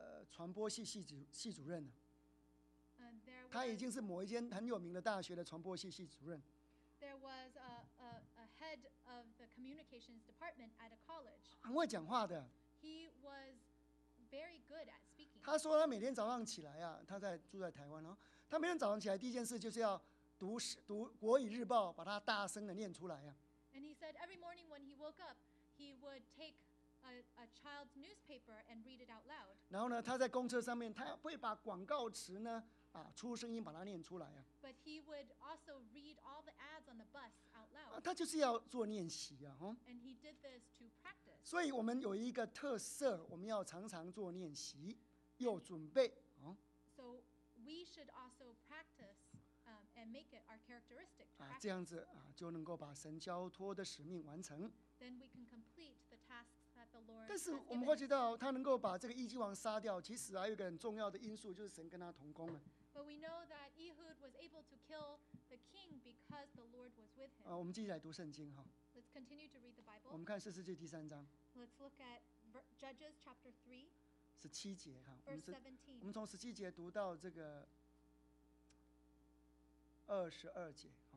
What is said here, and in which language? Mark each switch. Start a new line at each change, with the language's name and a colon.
Chinese: 传播系系主任他已经是某一间很有名的大学的传播系系主任。
English: There was a head of the communications department at a college.
Chinese: 很会讲话的。
English: He was very good at speaking.
Chinese: 他说他每天早上起来他在住在台湾他每天早上起来第一件事就是要读国语日报，把它大声的念出来
English: And he said every morning when he woke up, he would take a child's newspaper and read it out loud.
Chinese: 然后呢，他在公车上面，他会把广告词呢，啊，出声音把它念出来啊。
English: But he would also read all the ads on the bus out loud.
Chinese: 啊，他就是要做练习啊，哦。
English: And he did this to practice.
Chinese: 所以我们有一个特色，我们要常常做练习，又准备啊。
English: So we should also practice, and make it our characteristic.
Chinese: 啊，这样子啊，就能够把神交托的使命完成。
English: Then we can complete the tasks that the Lord.
Chinese: 但是我们会知道，他能够把这个异己王杀掉，其实还有一个很重要的因素，就是神跟他同工了。
English: But we know that Ehud was able to kill the king because the Lord was with him.
Chinese: 啊，我们继续来读圣经哈。
English: Let's continue to read the Bible.
Chinese: 我们看四世纪第三章。
English: Let's look at Judges chapter 3,
Chinese: 十七节哈。
English: Verse 17.
Chinese: 我们从十七节读到这个二十二节。